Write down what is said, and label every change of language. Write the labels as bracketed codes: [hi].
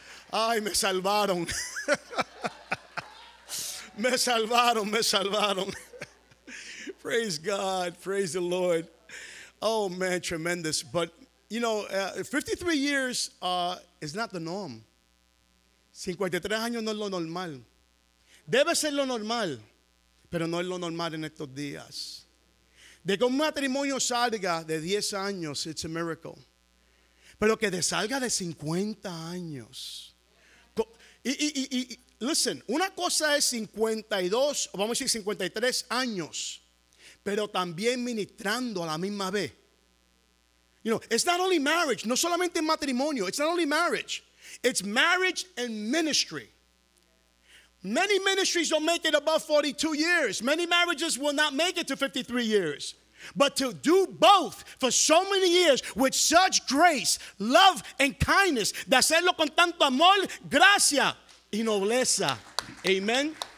[es] Ay, me salvaron. Me salvaron, me salvaron. [en] Praise God, praise the Lord. Oh, man, tremendous. But, you know, 53 years is not the norm. [es] 53 años no es lo normal. Debe ser lo normal. pero no es lo normal en estos días. De que un matrimonio salga de 10 años, [en] it's a miracle. [es] Pero que de salga de 50 años. Y listen, una cosa es 52, o vamos a decir 53 años, pero también ministrando a la misma vez. [en] You know, it's not only marriage, [es] no solamente matrimonio, [en] it's not only marriage. It's marriage and ministry. Many ministries don't make it above 42 years. Many marriages will not make it to 53 years. But to do both for so many years with such grace, love, and kindness, [es] de hacerlo con tanto amor, gracia, y nobleza. [en] Amen.